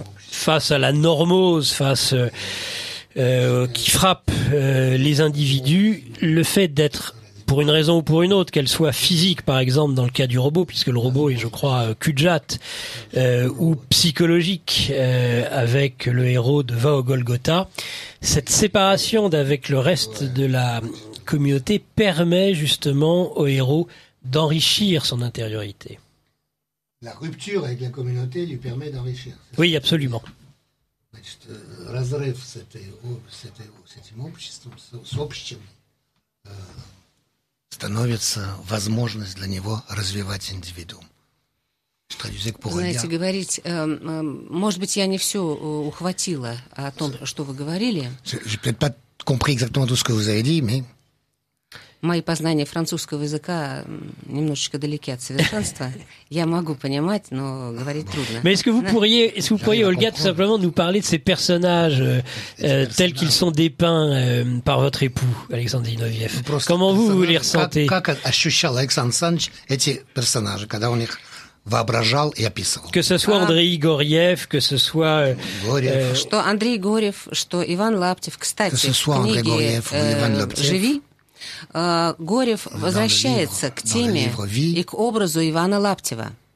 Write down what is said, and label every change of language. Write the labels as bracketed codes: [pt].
[fr] Face à la normose, face... qui frappe les individus, le fait d'être, pour une raison ou pour une autre, qu'elle soit physique, par exemple, dans le cas du robot, puisque le robot est, je crois, Kudjat, ou psychologique, avec le héros de Va au Golgotha, cette séparation d'avec le reste de la communauté permet justement au héros d'enrichir son intériorité. La rupture avec la communauté lui permet d'enrichir. Oui, absolument. [ru] Значит, разрыв с этой, с этой, с этим обществом, с общим, становится возможность для него развивать индивидуум. Знаете, говорить, может быть, я не все ухватила о том, что вы говорили. Je n'ai pas compris exactement tout ce que vous avez dit, mais... Мои познания французского языка немножечко далеки от совершенства. Я могу понимать, но говорить трудно. [fr] Mais est-ce que vous pourriez, Olga, tout simplement nous parler de ces personnages tels qu'ils sont dépeints par votre époux, Alexandre Zinoviev? Comment vous vous les ressentez? [ru] Как ощущал Александр Александрович эти персонажи, когда он их воображал и описывал? [fr] Que ce soit Андрей Гореев, que ce soit... [ru] Что Андрей Гореев, что Иван Лаптев. Кстати, в книге «Живи» Горев возвращается к теме и к образу Ивана Лаптева.